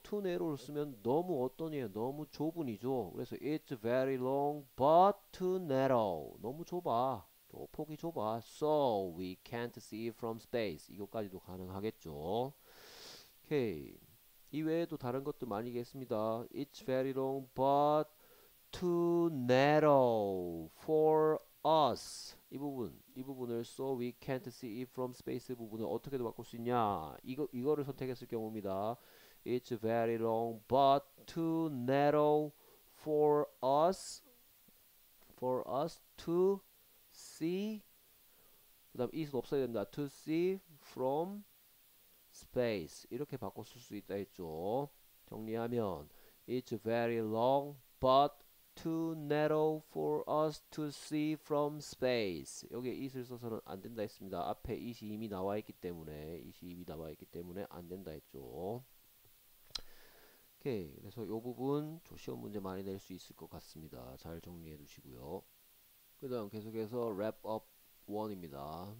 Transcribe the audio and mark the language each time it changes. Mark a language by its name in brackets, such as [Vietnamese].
[Korean] too narrow를 쓰면 너무 어떤 이에 너무 좁은이죠. 그래서 it's very long but too narrow. 너무 좁아. 또 폭이 좁아. [English] So we can't see from space. [Korean] 이것까지도 가능하겠죠. 오케이. 이외에도 다른 것도 많이 있겠습니다. [English] It's very long, but too narrow for us. [Korean] 이 부분을 so we can't see it from space 부분을 어떻게도 바꿀 수 있냐? 이거를 선택했을 경우입니다. [English] It's very long, but too narrow for us. [Korean] For us to see, 그다음 is 없어야 된다. To see from space 이렇게 바꿔 쓸수 있다 했죠. [English] 정리하면 it's very long but too narrow for us to see from space. [Korean] 여기에 is를 써서는 안 된다 했습니다. 앞에 is 이미 나와 있기 때문에 is 이미 나와 있기 때문에 안 된다 했죠. 오케이. 그래서 요 부분 저 시험 문제 많이 낼수 있을 것 같습니다. 잘 정리해 두시고요. 그 다음 계속해서 wrap up 1입니다.